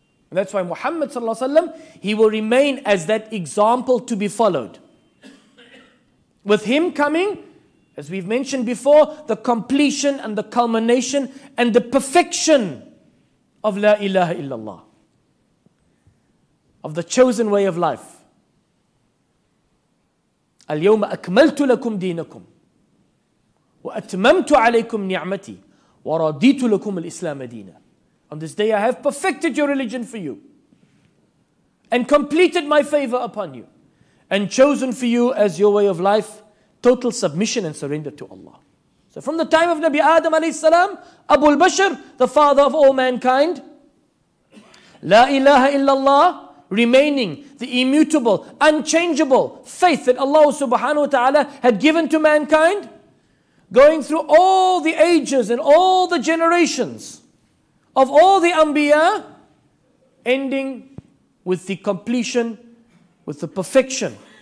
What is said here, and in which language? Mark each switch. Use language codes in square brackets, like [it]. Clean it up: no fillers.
[en] And that's why Muhammad sallallahu alayhi wa sallam, he will remain as that example to be followed. With him coming, as we've mentioned before, the completion and the culmination and the perfection of La ilaha illallah, of the chosen way of life. [ar] اليوم أكملت لكم دينكم وأتممت عليكم نعمتي ورديت لكم الإسلام دينا. [en] On this day I have perfected your religion for you and completed my favor upon you and chosen for you as your way of life total submission and surrender to Allah. So from the time of Nabi Adam alayhi salam, Abu al-Bashr, the father of all mankind, La ilaha illallah, remaining the immutable, unchangeable faith that Allah subhanahu wa ta'ala had given to mankind, going through all the ages and all the generations of all the anbiya, ending with the completion, with the perfection